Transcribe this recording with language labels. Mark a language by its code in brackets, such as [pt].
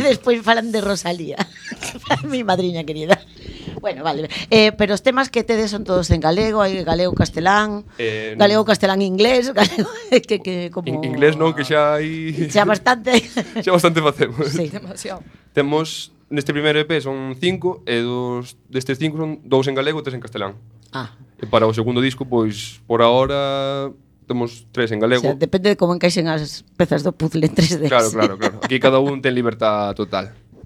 [es] Y después falan de Rosalía, mi madriña querida. Bueno, vale. Pero los temas que te des son todos en galego, hay galego, castelán, galego, castelán, inglés, galego, que como... Inglés no, que ya hay... Ya bastante. Ya bastante facemos. Sí, demasiado. Tenemos, en este primer EP son 5, de estos 5 son 2 en galego, 3 en castelán. Ah. Y para el segundo disco, pues, por ahora... [gl] Temos 3 en galego. O sea, depende de como encaixen as pezas do puzzle en 3D. Claro. Aquí cada un ten libertad total.